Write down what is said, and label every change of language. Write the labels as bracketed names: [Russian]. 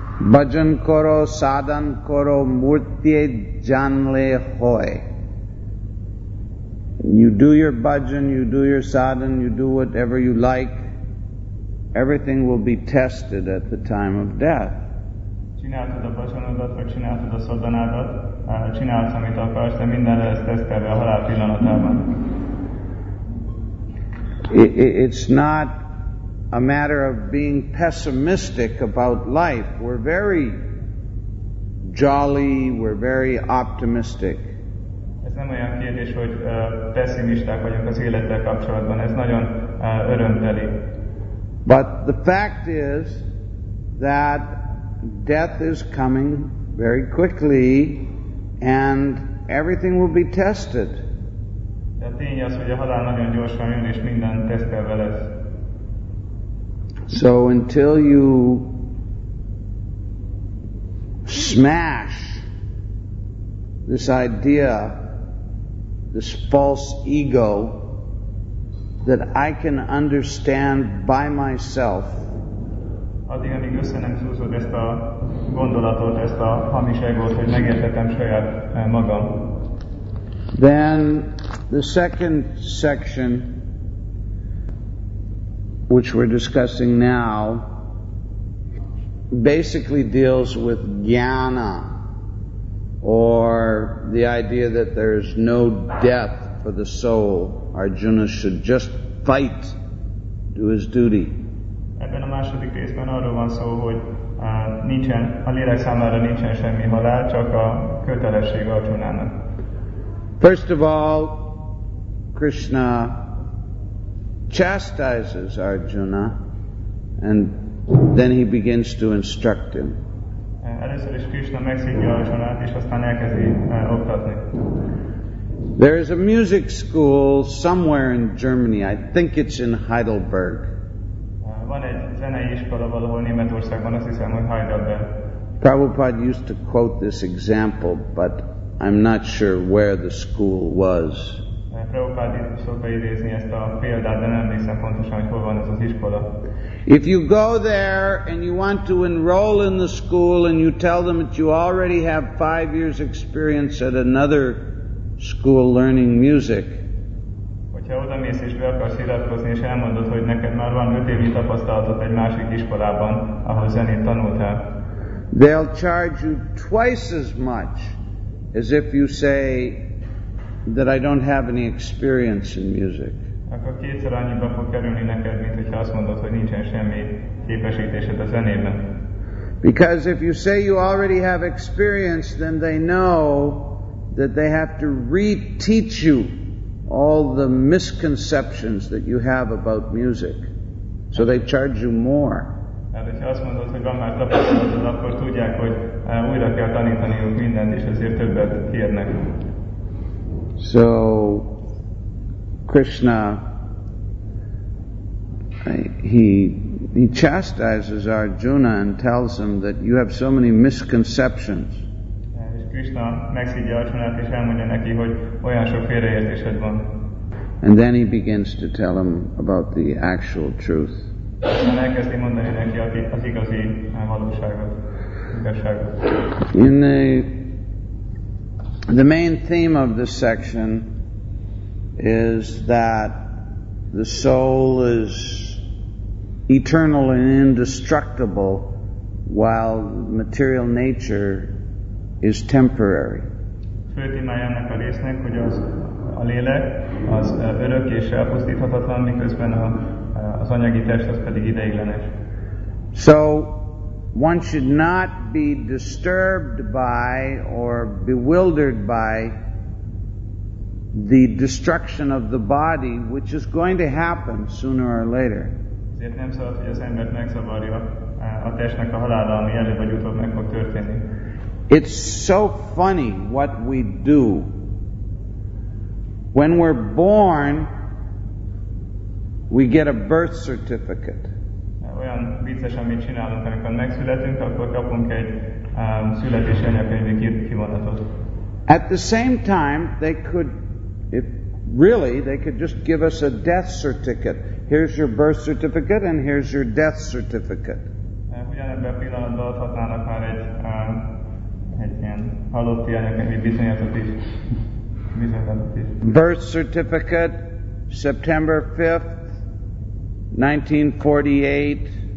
[Bangla] Bhajan koro, sadhan koro, murtye janle hoy. [English] You do your bhajan, you do your sadhan, you do whatever you like. Everything will be tested at the time of death. [Hungarian] Csináltad a bhajanodat, vagy csináltad a szadhanádat, csinálsz, amit akarsz, de minden lesz tesztelve a halál pillanatában. [English] It's not a matter of being pessimistic about life. We're very jolly, we're very optimistic. [Hungarian] Ez nem olyan kérdés, hogy pessimisták vagyunk az élettel kapcsolatban. Ez nagyon örömteli. [English] But the fact is that death is coming very quickly and everything will be tested. [Hungarian] De a tény az, hogy a halál nagyon gyorsan jön és minden tesztelve lesz. [English] So until you smash this idea, this false ego, that I can understand by myself, [Hungarian] addig, amíg össze nem szúzod ezt a gondolatot, ezt a hamis egót, hogy megértetem saját magam. [English] Then the second section, which we're discussing now, basically deals with jnana, or the idea that there is no death for the soul. Arjuna should just fight, do his duty. [Hungarian] Ebben a második részben arról van szó, hogy nincsen, a lélek számára nincsen semmi halál, csak a kötelesség Arjunának. [English] First of all, Krishna chastises Arjuna, and then he begins to instruct him. [Hungarian] Először is Krishna megszívja Arjunát, és aztán elkezdi oktatni. [English] There is a music school somewhere in Germany. I think it's in Heidelberg. [Hungarian] Van egy zenei iskola valahol Németországban, azt hiszem, hogy Heidelberg. [English] Prabhupada used to quote this example, but I'm not sure where the school was. [Hungarian] Prabhupada szokta idézni ezt a példát, de nem emlékszem pontosan, hogy hol van ez az iskola. [English] If you go there and you want to enroll in the school and you tell them that you already have 5 years experience at another school learning music. [Hungarian] Hogyha odamész és be akarsz iratkozni, és elmondod, hogy neked már van 5 évi tapasztalatod egy másik iskolában, ahol zenét tanultál. [English] They'll charge you twice as much as if you say that I don't have any experience in music. [Hungarian] Akkor kétszer annyiba fog kerülni neked, mint hogyha azt mondod, hogy nincsen semmi képesítésed a zenében. [English] Because if you say you already have experience, then they know that they have to reteach you all the misconceptions that you have about music. So they charge you more. [Hungarian] De ha azt mondod, hogy van már tapasztalatod, akkor tudják, hogy újra kell tanítaniuk mindent, és ezért többet kérnek. [English] So Krishna, he chastises Arjuna and tells him that you have so many misconceptions. [Hungarian] Krishna megszívja Arjunát és elmondja neki, hogy olyan sok félreértésed van. [English] And then he begins to tell him about the actual truth. [Hungarian] Aztán elkezdi mondani neki az igazi valóságot. [English] In the main theme of this section is that the soul is eternal and indestructible, while material nature is temporary. [Hungarian] Fő témája ennek a résznek, hogy az a lélek az örök és elpusztíthatatlan, miközben az anyagi test az pedig ideiglenes. [English] So one should not be disturbed by or bewildered by the destruction of the body, which is going to happen sooner or later. [Hungarian] Ezért nem szabad, hogy az embert megszabadja a testnek a halála, ami előbb vagy utóbb meg fog történni. [English] It's so funny what we do. When we're born, we get a birth certificate. [Hungarian] Olyan vicces, amit csinálunk, amikor megszületünk, akkor kapunk egy születési anyakönyvi kivonatot. [English] At the same time, they could, if really, they could just give us a death certificate. Here's your birth certificate and here's your death certificate. [Hungarian] Ugyanebben a pillanatban adhatnának már egy ilyen halotti anyakönyvi bizonyatot is. [English] Birth certificate, September 5th, 1948,